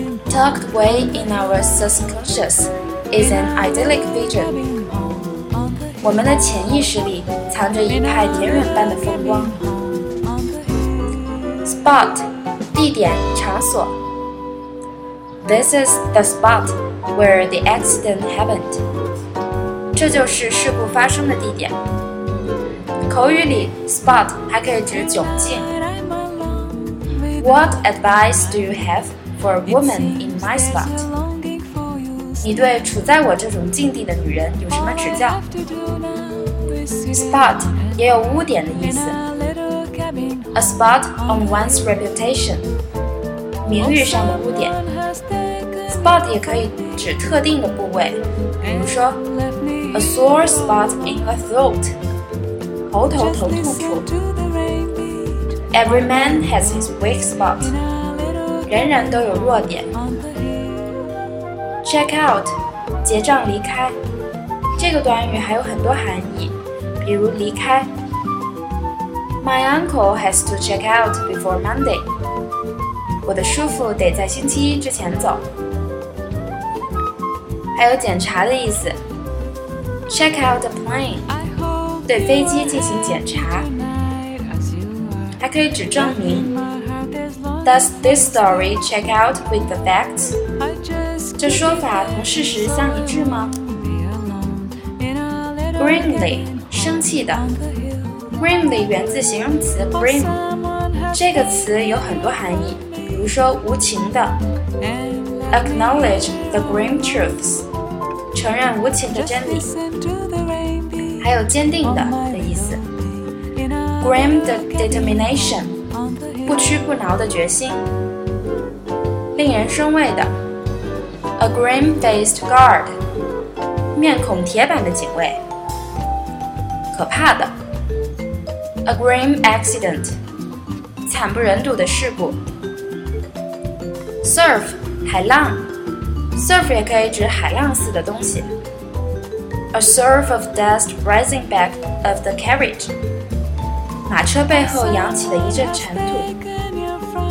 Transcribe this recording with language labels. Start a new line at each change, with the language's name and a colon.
English: Tucked away in our subconscious is an idyllic vision.
Chinese: 我们的潜意识里藏着一派田园般的风光。 Spot, 地点、场所。
English: This is the spot where the accident happened.
Chinese: 这就是事故发生的地点。口语里 spot 还可以指窘境。
English: What advice do you have for a woman in my spot?
Chinese: 你对处在我这种境地的女人有什么指教？ Spot 也有污点的意思。
English: A spot on one's reputation
Chinese: 名誉上的污点。 Spot 也可以指特定的部位，比如说
English: A sore spot in a throat
Chinese: 喉头疼痛处。
English: Every man has his weak spot.
Chinese: 人人都有弱点。 Check out, 结账离开。这个短语还有很多含义，比如离开。
English: My uncle has to check out before Monday.
Chinese: 我的叔父得在星期一之前走。还有检查的意思。
English: Check out a plane.
Chinese: 对飞机进行检查。还可以指证明。
English: Does this story check out with the facts?
Chinese: 这说法同事实相一致吗？ Grimly, 生气的。Grimly 源自形容词 grim。这个词有很多含义，比如说无情的。
English: Acknowledge the grim truths,
Chinese: 承认无情的真理。还有坚定的。
English: Grim determination,
Chinese: 不屈不挠的决心。令人生畏的。
English: A grim-faced guard,
Chinese: 面孔铁板的警卫。可怕的。
English: A grim accident,
Chinese: 惨不忍睹的事故。 Surf, 海浪。Surf 也可以指海浪似的东西。
English: A surf of dust rising back of the carriage.
Chinese: 马车背后扬起的一阵尘土。